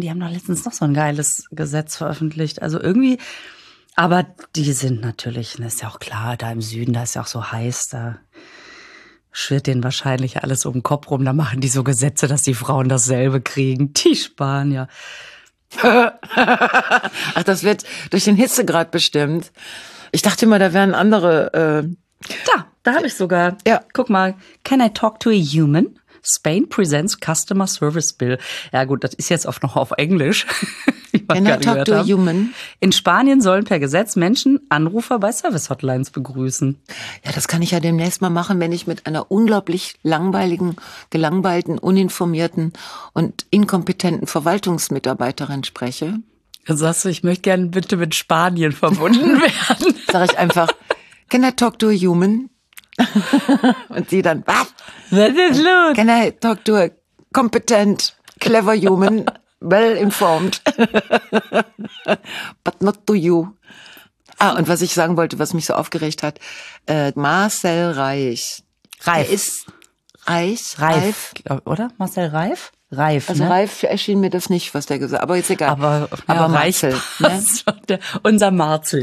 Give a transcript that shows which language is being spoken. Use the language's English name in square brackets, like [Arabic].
[German] Die haben doch letztens noch so ein geiles Gesetz veröffentlicht. Also irgendwie, aber die sind natürlich, das ist ja auch klar, da im Süden, da ist ja auch so heiß, da schwirrt denen wahrscheinlich alles um den Kopf rum. Da machen die so Gesetze, dass die Frauen dasselbe kriegen. Die Spanier. Ach, das wird durch den Hitzegrad bestimmt. Ich dachte immer, da wären andere. Da habe ich sogar. Ja. Guck mal, [English] can I talk to a human? Spain presents Customer Service Bill. [German] Ja gut, das ist jetzt oft noch auf Englisch. [English] Can I talk to a human? [German] In Spanien sollen per Gesetz Menschen Anrufer bei Service-Hotlines begrüßen. Ja, das kann ich ja demnächst mal machen, wenn ich mit einer unglaublich langweiligen, gelangweilten, uninformierten und inkompetenten Verwaltungsmitarbeiterin spreche. Dann sagst du, ich möchte gerne bitte mit Spanien verbunden werden. Sag ich einfach, [English] can I talk to a human? [German] Und sie dann, was ist los? [English] Can I talk to a competent, clever human? Well informed. But not to you. [German] Ah, und was ich sagen wollte, was mich so aufgeregt hat, Marcel Reich. Reif. Er ist Reich? Reif. Reif. Oder? Marcel Reif? Reif, also, ne? Reif erschien mir das nicht, was der gesagt hat. Aber jetzt egal. Aber ja, Marcel. Ne? Unser Marcel.